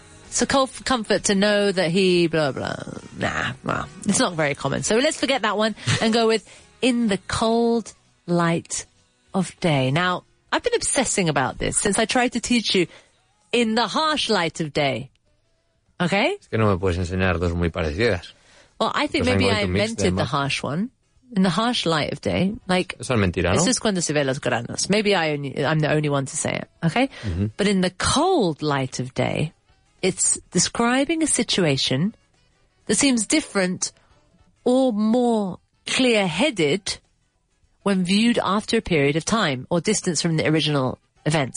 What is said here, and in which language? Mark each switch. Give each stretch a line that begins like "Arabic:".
English: So cold comfort to know that he blah, blah. Nah, well, it's not very common. So let's forget that one and go with in the cold light of day. Now, I've been obsessing about this since I tried to teach you in the harsh light of day. Okay?
Spanish: Es que no me puedes enseñar dos muy parecidas.
English: Well, I think maybe I invented the harsh one. In the harsh light of day, like...
Spanish: Eso es mentira, ¿no? Es just cuando se ve los granos.
English: Maybe I'm the only one to say it, okay? Mm-hmm. But in the cold light of day, it's describing a situation that seems different or more clear-headed when viewed after a period of time or distance from the original event.